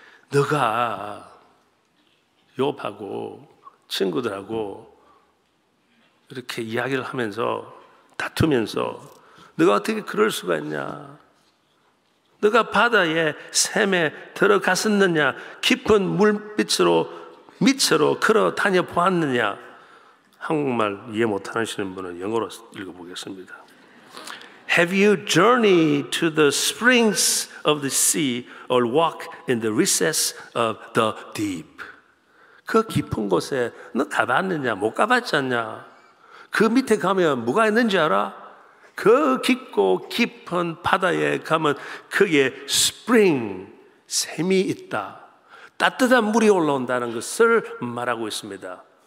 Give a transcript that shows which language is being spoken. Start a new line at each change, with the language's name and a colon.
Korean: 너가 욥하고 친구들하고 이렇게 이야기를 하면서 다투면서 너가 어떻게 그럴 수가 있냐? 너가 바다에 샘에 들어갔었느냐? 깊은 물빛으로 밑으로 걸어 다녀 보았느냐? 한국말 이해 못하시는 분은 영어로 읽어보겠습니다.
English: Have you journeyed to the springs of the sea or walk in the recess of the deep?
Korean: 그 깊은 곳에 너 가봤느냐? 못 가봤지 않냐? 그 밑에 가면 뭐가 있는지 알아? 그 깊고 깊은 바다에 가면 거기에 spring, 샘이 있다. 따뜻한 물이 올라온다는 것을 말하고 있습니다.